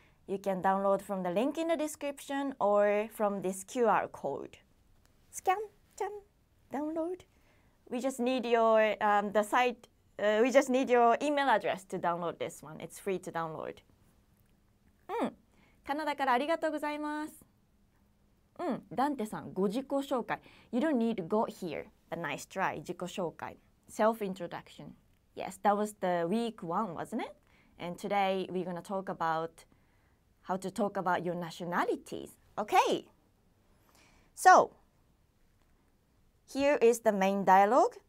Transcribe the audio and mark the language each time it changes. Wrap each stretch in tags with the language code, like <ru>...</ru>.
<en>You can download from the link in the description or from this QR code. Scan, chan, download. We just need your email address to download this one. It's free to download. うん。</en> <ja>カナダからありがとうございます。うん。ダンテさん、ご自己紹介。</ja> <en>You don't need go here. A nice try.</en> <ja>自己紹介。</ja> <en>Self-introduction. Yes, that was the week one, wasn't it? And today we're going to talk about how to talk about your nationalities. Okay. So... Here is the main dialogue.</en>